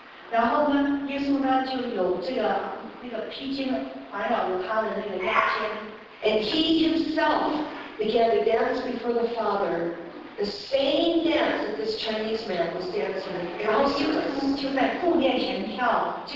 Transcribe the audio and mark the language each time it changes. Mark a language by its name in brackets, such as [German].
[Chinese] 然后呢, 耶稣呢,就有这个,那个披荆,怀绕着他的那个腰间, [English] and he himself began to dance before the Father, the same dance that this Chinese man was dancing. [Chinese] 然后耶稣就在父面前跳,